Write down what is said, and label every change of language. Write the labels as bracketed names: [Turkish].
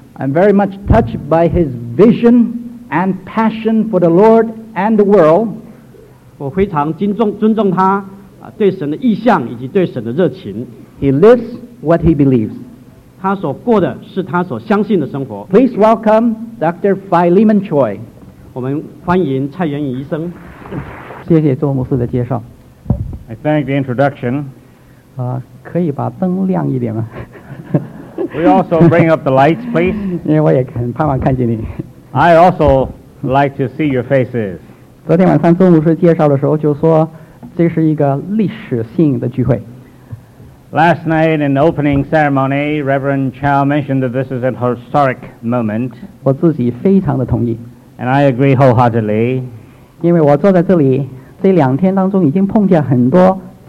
[English] I'm very much touched by his vision and passion for the Lord and the world. [Chinese] 我非常尊重他对神的意向以及对神的热情。 [English] He lives what he believes. [Chinese] 他所过的是他所相信的生活。 [English] Please welcome Dr. Philemon Choi. [Chinese] 我们欢迎蔡元颖医生。谢谢周牧师的介绍。 [English] I thank the introduction. [Chinese] 可以把灯亮一点吗? [English] We also bring up the lights, please. [Chinese] 因为我也很盼望看见你。 [English] I also like to see your faces. [Chinese] 昨天晚上周牧师介绍的时候就说这是一个历史性的聚会。 [English] Last night in the opening ceremony, Reverend Chow mentioned that this is an historic moment. [Chinese] 我自己非常的同意。 [English] And I agree wholeheartedly. [Chinese] 因为我坐在这里这两天当中已经碰见很多